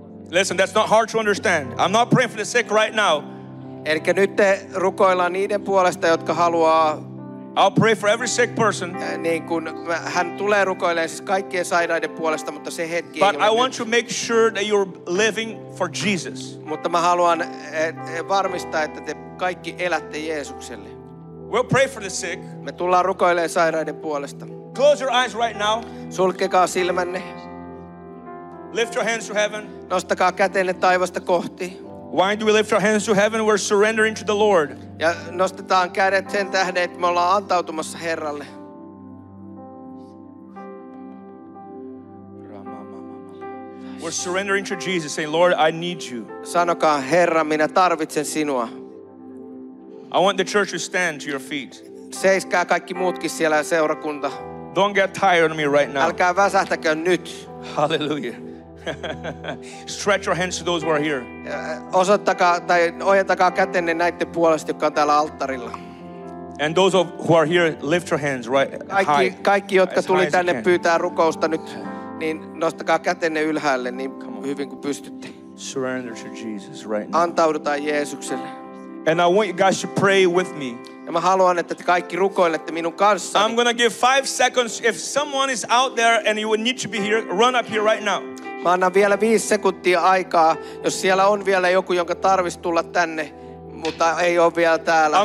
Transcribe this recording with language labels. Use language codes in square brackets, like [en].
[en] Listen, that's not hard to understand. I'm not praying for the sick right now. [fi] Elikkä nyt te rukoillaan niiden puolesta, jotka haluaa. [en] I'll pray for every sick person. [fi] Niin kun hän tulee rukoilemaan siis kaikkien sairaiden puolesta, mutta se hetki. [en] But I want to make sure that you're living for Jesus. [fi] Mutta mä haluan varmistaa, että te kaikki elätte Jeesukselle. [en] We'll pray for the sick. [fi] Me tullaan rukoilemaan sairaiden puolesta. [en] Close your eyes right now. [fi] Sulkekaa silmänne. [en] Lift your hands to heaven. [fi] Nostakaa kätenne taivasta kohti. [en] Why do we lift our hands to heaven? We're surrendering to the Lord. [fi] Ja nostetaan kädet sen tähden, että me ollaan antautumassa Herralle. [en] We're surrendering to Jesus, saying, Lord, I need you. [fi] Sanokaa, Herra, minä tarvitsen sinua. [en] I want the church to stand to your feet. [fi] Seiskää kaikki muutkin siellä seurakunta. [en] Don't get tired on me right now. [fi] Älkää väsähtäkö nyt. [en] Hallelujah. Stretch your hands to those who are here. [fi] Osoittakaa tai ojentakaa kätenne näiden puolesta, jotka on täällä alttarilla. [en] And those of who are here, lift your hands right high. [fi] Kaikki jotka tuli tänne pyytää rukousta nyt, niin nostakaa kätenne ylhäälle niin hyvin kuin pystytte. [en] Surrender to Jesus right now. [fi] Antaudutaan Jeesukselle. [en] And I want you guys to pray with me. [fi] Ja mä haluan, että te kaikki rukoilette minun kanssani. [en] I'm gonna give 5 seconds. If someone is out there and you would need to be here, run up here right now. [fi] Mä annan vielä 5 sekuntia aikaa, jos siellä on vielä joku, jonka tarvitsisi tulla tänne, mutta ei ole vielä täällä.